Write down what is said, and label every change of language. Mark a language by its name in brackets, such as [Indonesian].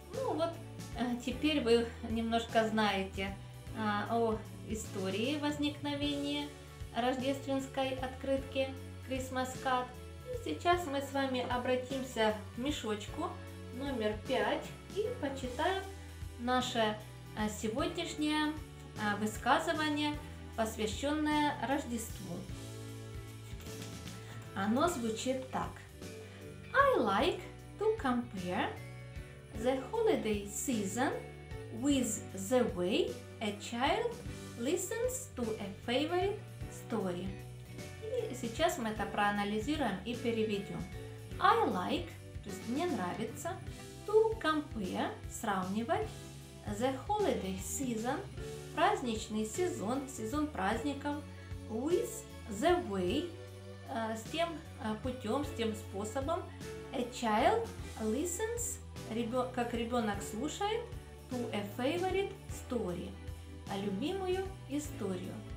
[Russian] Ну вот, теперь вы немножко знаете о истории возникновения рождественской открытки Christmas card. И сейчас мы с вами обратимся к мешочку номер 5 и почитаем наше сегодняшнее высказывание, посвященное Рождеству. Оно звучит так. [English] I like to compare the holiday season with the way a child listens to a favorite story. [Russian] И сейчас мы это проанализируем и переведем. [English] I like, [Russian] то есть мне нравится, [English] to compare, [Russian] сравнивать, [English] the holiday season, [Russian] праздничный сезон, сезон праздников, [English] with the way, [Russian] с тем путем, с тем способом, [English] a child listens, [Russian] как ребенок слушает, [English] to a favorite story, [Russian] а любимую историю.